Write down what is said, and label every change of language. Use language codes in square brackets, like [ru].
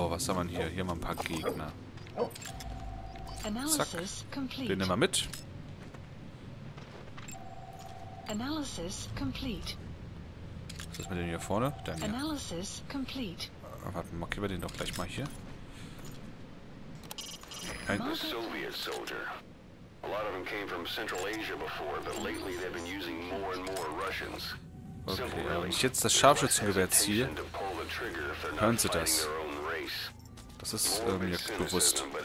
[de] So, was haben wir hier? Hier haben wir ein paar Gegner. Zack. Den nehmen wir mit. [en] Analysis complete. [de] Was ist mit dem hier vorne? Dann hier. [en] Analysis complete. [de] Warte, markieren wir den doch gleich mal hier. Ein [en] Soviet Soldier. A lot of them came from Central Asia before, but lately they've been using more and more Russians. [de] Okay, wenn ich jetzt das Scharfschützengewehr ziehe, hören Sie das. Das ist mir bewusst.